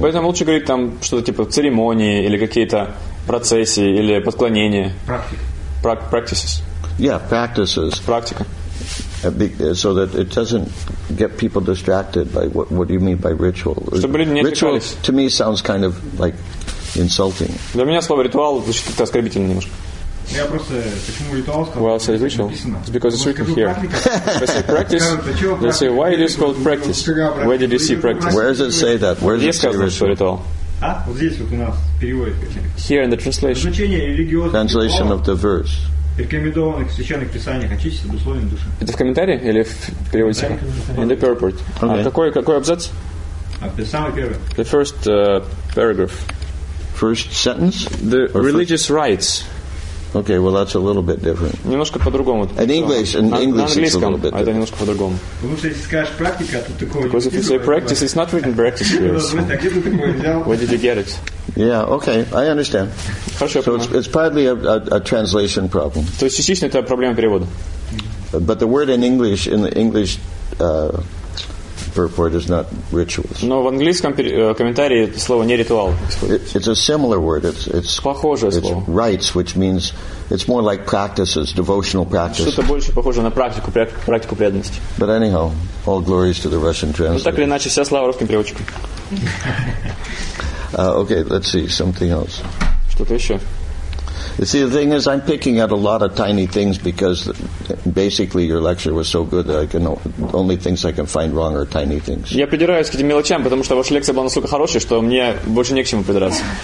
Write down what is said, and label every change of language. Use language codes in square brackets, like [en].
[ru] Поэтому лучше говорить там что-то типа церемонии или какие-то процессии или подклонения. [en] Practices. Yeah, practices. [ru] Практика. [en] So that it doesn't get people distracted by what do you mean by ritual? Ritual to me sounds kind of like insulting. [ru] Для меня слово ритуал звучит как-то оскорбительно немножко. [en] Well, I said ritual. It's because it's written here. If I say practice, they say, why it is called practice? Where did you see practice? Where does it say that? Where does it say ritual? Here in the translation. Translation of the verse. [ru] Это в комментарии или в переводе? [en] In the purport. Okay. [ru] Какой абзац? [en] The first paragraph. First sentence? The or religious first? Rites. Okay, well that's a little bit different. [ru] Немножко по-другому. [en] In English it's a little bit different. [ru] Это немножко по-другому. [en] Because if you say practice, it's not written practice here. Where did you get it? Yeah, okay, I understand. [ru] Хорошо, [en] so it's partly a translation problem. [ru] То есть частично это проблема перевода. [en] But the word in the English purport is not rituals. [ru] Но в английском комментарии это слово не ритуал. [en] It's a similar word. It's [ru] похожее слово. [en] It's rites, which means it's more like practices, devotional practices. [ru] Что-то больше похоже на практику преданности. [en] But anyhow, all glories to the Russian translator. [ru] Так или иначе, вся слава русским переводчикам. [en] Okay, let's see, something else. [ru] Что-то еще? [en] You see, the thing is, I'm picking out a lot of tiny things because basically your lecture was so good that only things I can find wrong are tiny things. [ru] Я придираюсь к этим мелочам, потому что ваша лекция была настолько хорошей, что мне больше не к чему придраться.